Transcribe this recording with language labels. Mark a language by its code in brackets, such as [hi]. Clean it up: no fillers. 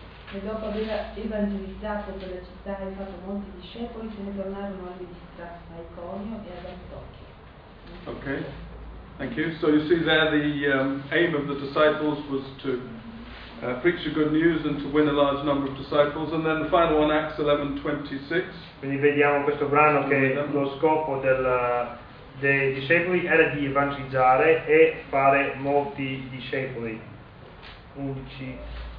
[it] E dopo aver evangelizzato per la città e fatto molti discepoli, se ne tornarono a Listra, a Iconio e ad Antiochia. [en] Ok, thank you. So you see there the aim of the disciples was to preach the good news and to win a large number of disciples. And then the final one, Acts 11:26. [it] Quindi vediamo questo brano che lo scopo dei discepoli era di evangelizzare e fare molti discepoli. 11.